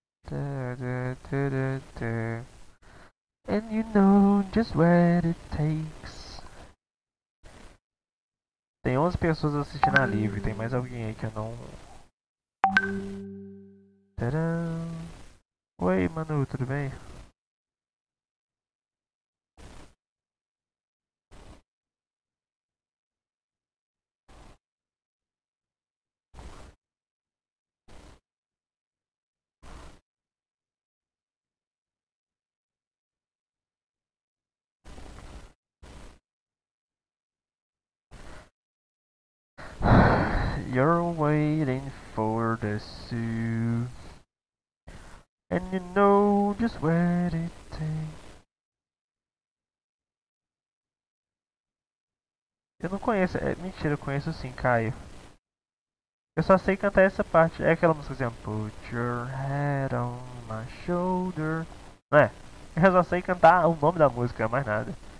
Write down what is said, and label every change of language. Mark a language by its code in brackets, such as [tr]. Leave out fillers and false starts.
[en] And you know just what it takes. [pt] Tem 11 pessoas assistindo a live, tem mais alguém aí que eu não. Tcharam! Oi, Manu, tudo bem? [en] You're waiting for the sue, and you know just what it takes. [pt] Eu não conheço, é mentira, eu conheço sim, Caio. Eu só sei cantar essa parte, é aquela música assim, [en] put your head on my shoulder. [pt] Não é? Eu só sei cantar o nome da música, mais nada.